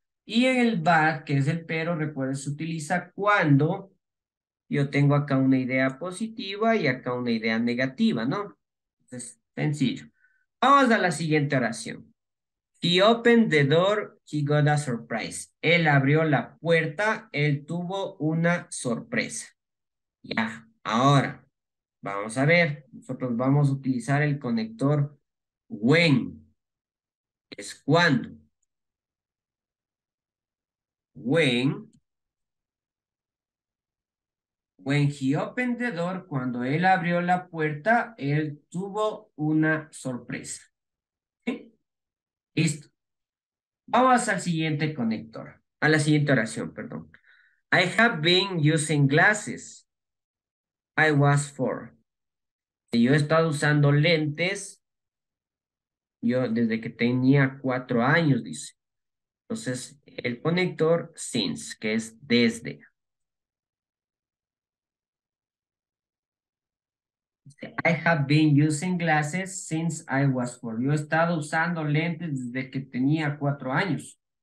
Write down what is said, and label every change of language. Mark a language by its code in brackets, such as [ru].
[es] Y el but, que es el pero, recuerden, se utiliza cuando yo tengo acá una idea positiva y acá una idea negativa, ¿no? Entonces, sencillo. Vamos a la siguiente oración. [en] He opened the door, he got a surprise. [es] Él abrió la puerta, él tuvo una sorpresa. Ya, ahora, vamos a ver. Nosotros vamos a utilizar el conector when. Es cuando. [en] When he opened the door, [es] cuando él abrió la puerta, él tuvo una sorpresa. Listo. Vamos al siguiente conector. A la siguiente oración, perdón. [en] I have been using glasses. I was four. [es] Yo he estado usando lentes. Yo desde que tenía 4 años, dice. Entonces, el conector since, que es desde. [en] I have been using glasses since I was 4. [es] Yo he estado usando lentes desde que tenía 4 años.